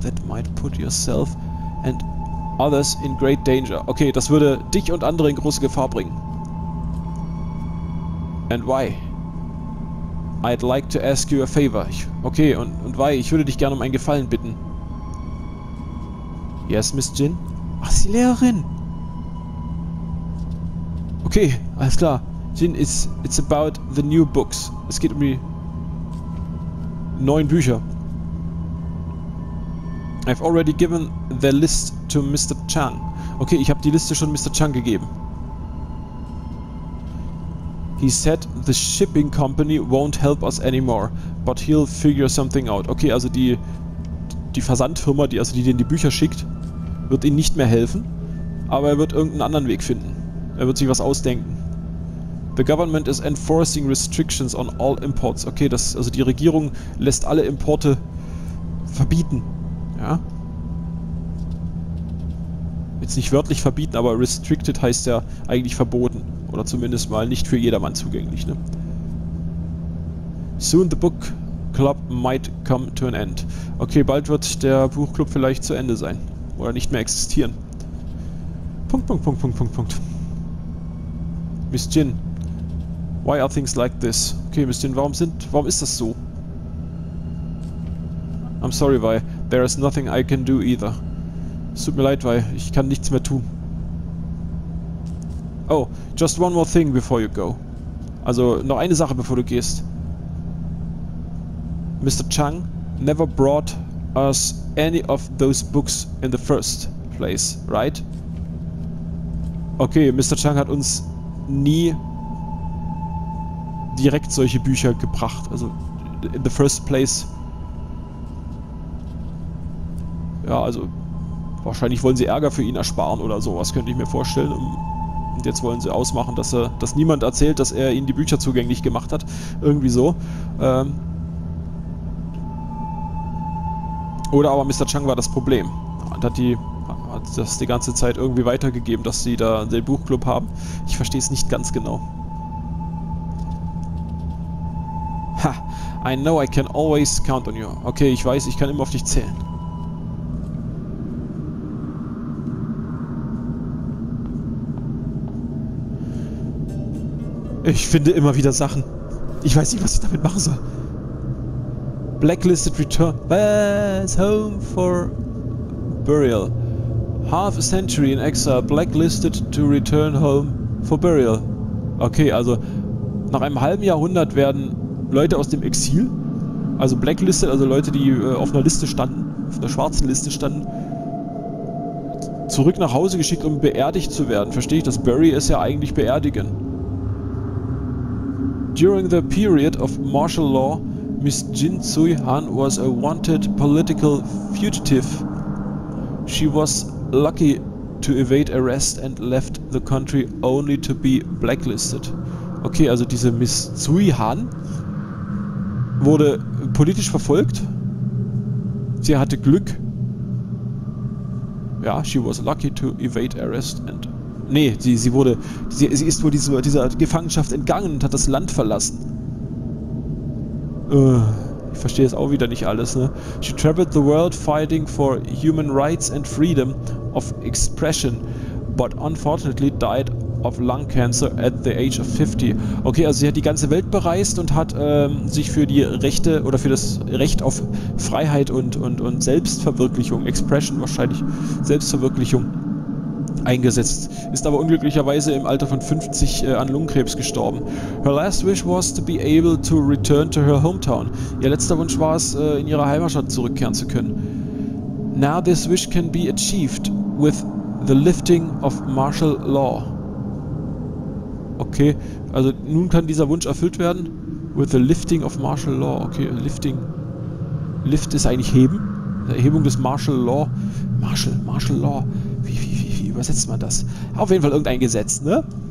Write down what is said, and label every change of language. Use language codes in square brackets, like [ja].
[en] For that might put yourself and others in great danger. [de] Okay, das würde dich und andere in große Gefahr bringen. And why? I'd like to ask you a favor. Okay, und why? Ich würde dich gerne um einen Gefallen bitten. [en] Yes, Miss Jin? [de] Ach, sie Lehrerin! Okay, alles klar. [en] Jin, it's about the new books. [de] Es geht um die neuen Bücher. [en] I've already given the list to Mr. Chang. [de] Okay, ich habe die Liste schon Mr. Chang gegeben. [en] He said the shipping company won't help us anymore, but he'll figure something out. [de] Okay, also die Versandfirma, die denen die Bücher schickt, wird ihnen nicht mehr helfen, aber er wird irgendeinen anderen Weg finden. Er wird sich was ausdenken. [en] The government is enforcing restrictions on all imports. [de] Okay, also die Regierung lässt alle Importe verbieten. Ja. Jetzt nicht wörtlich verbieten, aber restricted heißt ja eigentlich verboten. Oder zumindest mal nicht für jedermann zugänglich, ne? [en] Soon the book club might come to an end. [de] Okay, bald wird der Buchclub vielleicht zu Ende sein. Oder nicht mehr existieren. Punkt, Punkt, Punkt, Punkt, Punkt, Punkt. [en] Miss Jin, why are things like this? [de] Okay, Miss Jin, warum ist das so? [en] I'm sorry, why? There is nothing I can do either. [de] Es tut mir leid, weil ich kann nichts mehr tun. [en] Oh, just one more thing before you go. [de] Also, noch eine Sache, bevor du gehst. [en] Mr. Chang never brought us any of those books in the first place, right? [de] Okay, Mr. Chang hat uns nie direkt solche Bücher gebracht. [en] Also, in the first place... [de] Ja, also wahrscheinlich wollen sie Ärger für ihn ersparen oder sowas, könnte ich mir vorstellen, um Und jetzt wollen sie ausmachen, dass er, dass niemand erzählt, dass er ihnen die Bücher zugänglich gemacht hat. Irgendwie so. Oder aber Mr. Chang war das Problem. Und hat das die ganze Zeit irgendwie weitergegeben, dass sie da den Buchclub haben. Ich verstehe es nicht ganz genau. [en] Ha! I know I can always count on you. [de] Okay, ich weiß, ich kann immer auf dich zählen. Ich finde immer wieder Sachen. Ich weiß nicht, was ich damit machen soll. [en] Blacklisted Return. Was? Home for Burial. Half a century in exile. Blacklisted to return home for burial. [de] Okay, also nach einem halben Jahrhundert werden Leute aus dem Exil, also blacklisted, also Leute, die auf einer Liste standen, auf einer schwarzen Liste standen, zurück nach Hause geschickt, um beerdigt zu werden. Verstehe ich das? Bury ist ja eigentlich beerdigen. [en] During the period of martial law, Miss Jin Tsui Han was a wanted political fugitive. She was lucky to evade arrest and left the country only to be blacklisted. [de] Okay, also diese Miss Tsui Han wurde politisch verfolgt. Sie hatte Glück. [en] Ja, she was lucky to evade arrest and... [de] Nee, sie ist wohl dieser Gefangenschaft entgangen und hat das Land verlassen. Ich verstehe es auch wieder nicht alles, ne? [en] She traveled the world fighting for human rights and freedom of expression, but unfortunately died of lung cancer at the age of 50. [de] Okay, also sie hat die ganze Welt bereist und hat sich für die Rechte oder für das Recht auf Freiheit und Selbstverwirklichung, Expression wahrscheinlich, Selbstverwirklichung eingesetzt, ist aber unglücklicherweise im Alter von 50 an Lungenkrebs gestorben. [en] Her last wish was to be able to return to her hometown. [de] Ihr letzter Wunsch war es, in ihre Heimatstadt zurückkehren zu können. [en] Now this wish can be achieved with the lifting of martial law. [de] Okay, also nun kann dieser Wunsch erfüllt werden. [en] With the lifting of martial law. Okay, lifting. Lift [de] ist eigentlich heben. Erhebung des martial law. Martial law. Wie übersetzt man das? Auf jeden Fall irgendein Gesetz, ne?